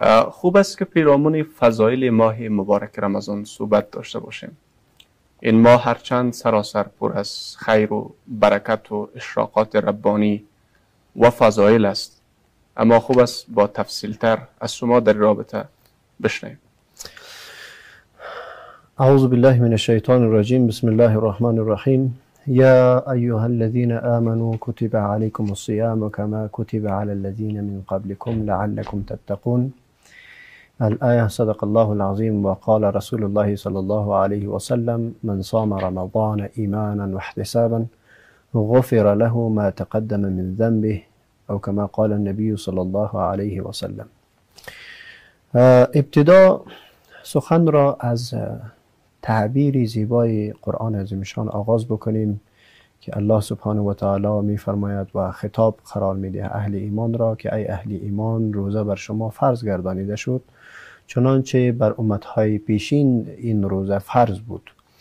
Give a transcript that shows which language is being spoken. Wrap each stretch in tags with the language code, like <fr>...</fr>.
<fa>خوب است که پیرامون فضایل ماه مبارک رمضان صحبت داشته باشیم. این ماه هرچند سراسر پر از خیر و برکت و اشراقات ربانی و فضایل است، اما خوب است با تفصیل تر از شما در رابطه بشنیم.</fa> <ar>أعوذ بالله من الشيطان الرجيم. بسم الله الرحمن الرحيم. يا أيها الذين آمنوا كتب عليكم الصيام كما كتب على الذين من قبلكم لعلكم تتقون. الآية صدق الله العظيم. وقال رسول الله صلى الله عليه وسلم: من صام رمضان إيمانا واحتسابا غفر له ما تقدم من ذنبه، أو كما قال النبي صلى الله عليه وسلم.</ar> <fa>ابتداء سخن را از تعبیری زیبای قرآن عظیمشان آغاز بکنیم که الله سبحانه و تعالی می فرماید و خطاب قرار می دهد اهل ایمان را که ای اهل ایمان، روزه بر شما فرض گردانیده شد چنانچه بر امتهای پیشین این روزه فرض بود.</fa>